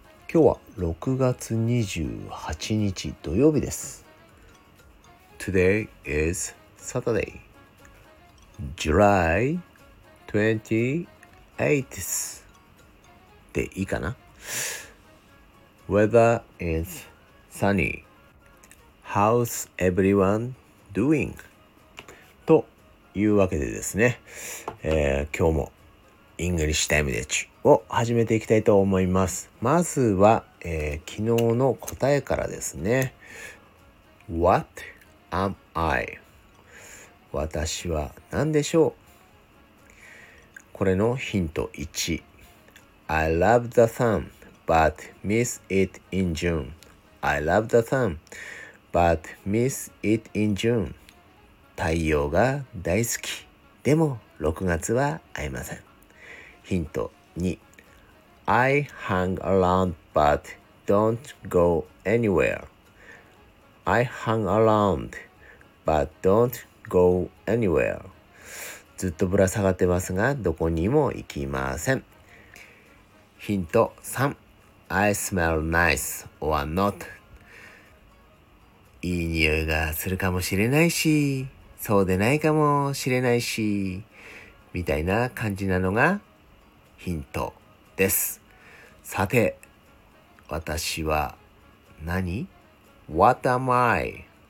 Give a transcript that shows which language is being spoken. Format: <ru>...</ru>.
<ja>今日は6月28日土曜日です。</ja> <en>Today is Saturday July 28th</en> <ja>でいいかな。</ja> <en>Weather is sunny. How's everyone doing?</en> <ja>というわけでですね、今日もイングリッシュタイムデッチを始めていきたいと思います。まずは、昨日の答えからですね。</ja> <en>What am I?</en> <ja>私は何でしょう。これのヒント1。</ja> <en>I love the sun but miss it in June. I love the sun but miss it in June.</en> <ja>太陽が大好き、でも6月は会えません。ヒント2。</ja> <en>I hang around but don't go anywhere. I hang around but don't go anywhere.</en> <ja>ずっとぶら下がってますがどこにも行きません。ヒント3。</ja> <en>I smell nice or not.</en> <ja>いい匂いがするかもしれないし、そうでないかもしれないし、みたいな感じなのがヒントです。さて、私は何？</ja> <en>What am I?</en>